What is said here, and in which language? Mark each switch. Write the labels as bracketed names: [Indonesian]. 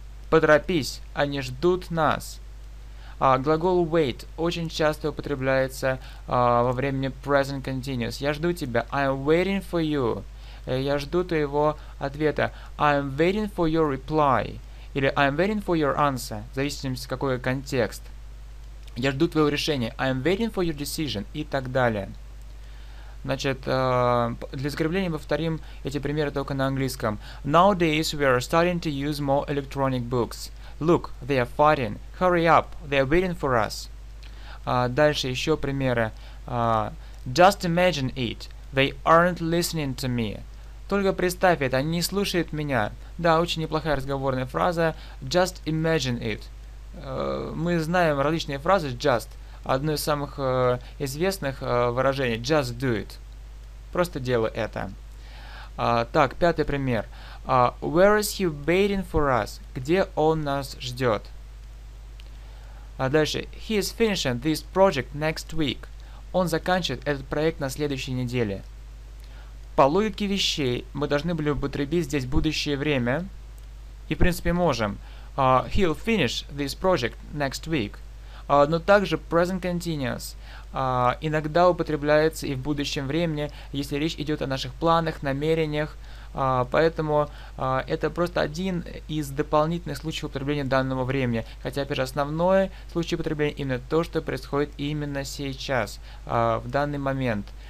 [Russian] Поторопись, они ждут нас. Глагол wait очень часто употребляется во времени present continuous. Я жду тебя. [English] I'm waiting for you. [Russian] Я жду твоего ответа. [English] I'm waiting for your reply. Или I'm waiting for your answer. [Russian] В зависимости, какой контекст. Я жду твоего решения. [English] I'm waiting for your decision. [Russian] И так далее. Значит, для закрепления повторим эти примеры только на английском. [English] Nowadays we are starting to use more electronic books. Look, they are fighting. Hurry up, they are waiting for us. [Russian] Дальше еще примеры. [English] Just imagine it. They aren't listening to me. [Russian] Только представь это, они не слушают меня. Да, очень неплохая разговорная фраза. [English] Just imagine it. [Russian] Мы знаем различные фразы just. Одно из самых известных выражений. [English] Just do it. [Russian] Просто делай это. Так, пятый пример. [English] Where is he waiting for us? [Russian] Где он нас ждет? А дальше. [English] He is finishing this project next week. [Russian] Он заканчивает этот проект на следующей неделе. По логике вещей мы должны были употребить здесь будущее время. И, в принципе, можем. [English] He'll finish this project next week. [Russian] Но также present continuous иногда употребляется и в будущем времени, если речь идет о наших планах, намерениях. Поэтому это просто один из дополнительных случаев употребления данного времени. Хотя, опять же, основной случай употребления именно то, что происходит именно сейчас, в данный момент.